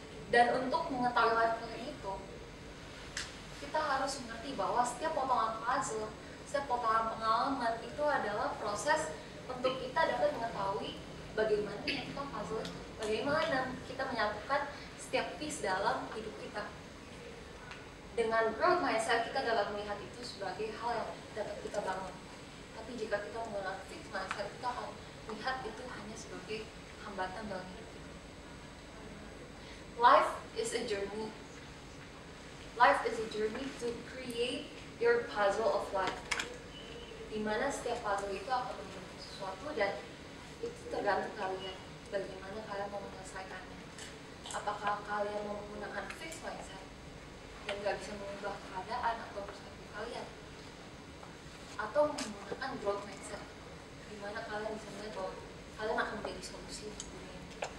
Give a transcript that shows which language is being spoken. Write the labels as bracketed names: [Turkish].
[Indonesian] Dan untuk mengetahui life calling itu, kita harus mengerti bahwa setiap potongan puzzle, setiap potongan pengalaman itu adalah proses untuk kita dapat mengetahui bagaimana kita puzzle, bagaimana kita menyatukan setiap piece dalam hidup kita. Dengan growth mindset, kita dapat melihat itu sebagai hal yang dapat kita bangun. Tapi jika kita menggunakan fixed mindset, kita akan melihat itu hanya sebagai hambatan dalam hidup kita. [English] Life is a journey. Life is a journey to create your puzzle of life. [Indonesian] Dimana setiap puzzle itu akan menjadi sesuatu dan itu tergantung kalian. Bagaimana kalian mau menyelesaikannya. Apakah kalian mau menggunakan fixed mindset dan gak bisa mengubah keadaan atau perspektif kalian, atau menggunakan growth mindset di mana kalian bisa melihat bahwa kalian akan menjadi solusi untuk dunia ini.